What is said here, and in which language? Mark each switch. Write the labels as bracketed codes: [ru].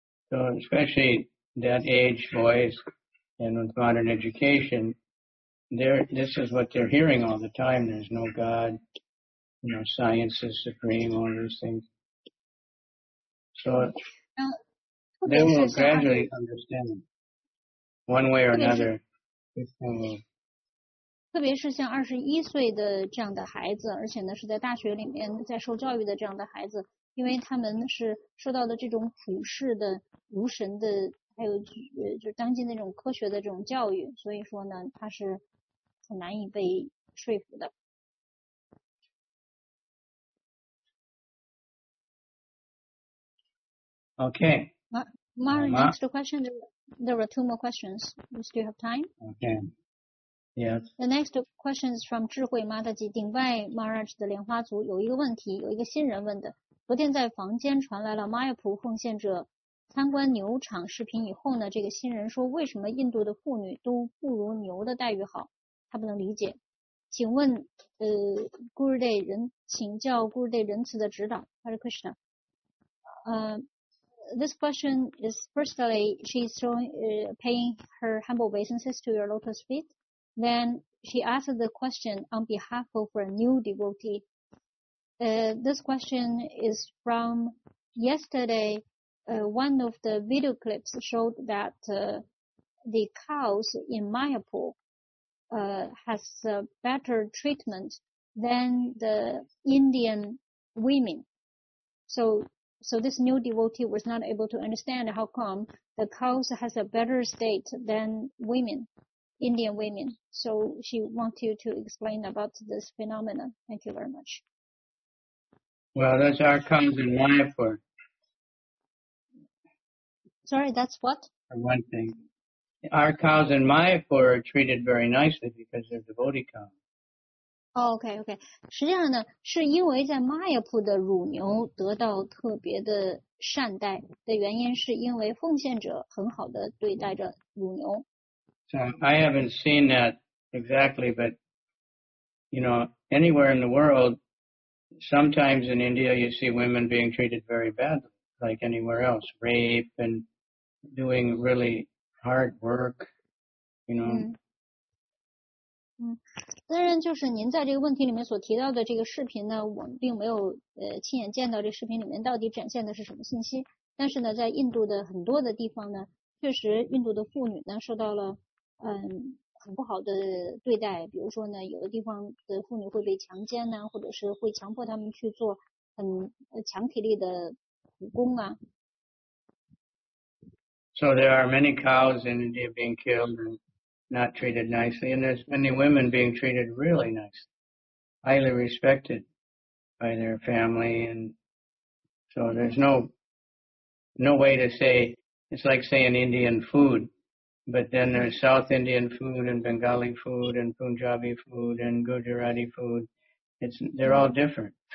[en] So especially that age boys and with modern education, this is what they're hearing all the time. There's no God, you know, science is supreme, all these things. So they will gradually understand. One way or another, this thing will. [zh] 特别是像21岁的这样的孩子，而且呢是在大学里面在受教育的这样的孩子，因为他们是受到的这种普世的无神的，还有就当今那种科学的这种教育，所以说呢，他是很难以被说服的。 [en] Okay. Mara, next question. There are two more questions. We still have time. Okay. Yes. The next question is from [zh] 智慧 Mataji, Dingbai Maharaj 的莲花族有一个问题，有一个新人问的。昨天在房间传来了 Mayapur 奉献者参观牛场视频以后呢，这个新人说为什么印度的妇女都不如牛的待遇好，他不能理解。请问Gurudev 人请教 Gurudev 仁慈的指导 Hare Krishna. [en] This question is, firstly, she's showing, paying her humble obeisances to your lotus feet. Then she asked the question on behalf of a new devotee. This question is from yesterday. One of the video clips showed that the cows in Mayapur has better treatment than the Indian women. So this new devotee was not able to understand how come the cows has a better state than women, Indian women. So she wants you to explain about this phenomenon. Thank you very much. Well, that's our cows in Mayapur. Sorry, that's what? For one thing. Our cows in Mayapur are treated very nicely because they're devotee cows. Okay. [zh] 实际上呢，是因为在 Mayapur 的乳牛得到特别的善待的原因，是因为奉献者很好的对待着乳牛。 [en] So I haven't seen that exactly, but, you know, anywhere in the world, sometimes in India you see women being treated very badly, like anywhere else, rape and doing really hard work, you know. Mm-hmm. [zh] 嗯，当然就是您在这个问题里面所提到的这个视频呢，我们并没有亲眼见到这视频里面到底展现的是什么信息。但是呢，在印度的很多的地方呢，确实印度的妇女呢受到了很不好的对待。比如说呢，有的地方的妇女会被强奸呢，或者是会强迫他们去做很强体力的苦工啊。 [en] So there are many cows in India being killed. Not treated nicely, and there's many women being treated really nicely, highly respected by their family, and so there's no way to say, it's like saying Indian food, but then there's South Indian food, and Bengali food, and Punjabi food, and Gujarati food, they're all different.